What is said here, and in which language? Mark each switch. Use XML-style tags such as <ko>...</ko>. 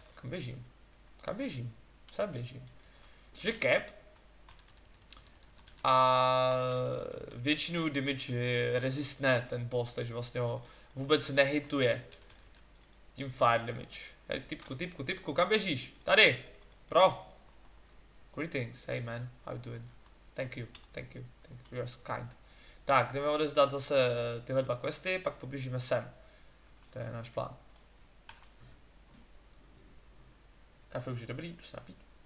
<cs>Kam běžím? Kam běžím? Sám běžím. Což je cap. A většinu damage resistne ten boss, takže vlastně ho vůbec nehituje tím fire damage. Hej, typku, kam běžíš? Tady, bro.</cs> <en>Greetings, hey man, how you doing? Thank you, you're so kind.</en> <cs>Tak, jdeme odezdat zase tyhle dva questy, pak poběžíme sem. To je náš plán. Kafe už je dobrý, jdu se napít.</cs>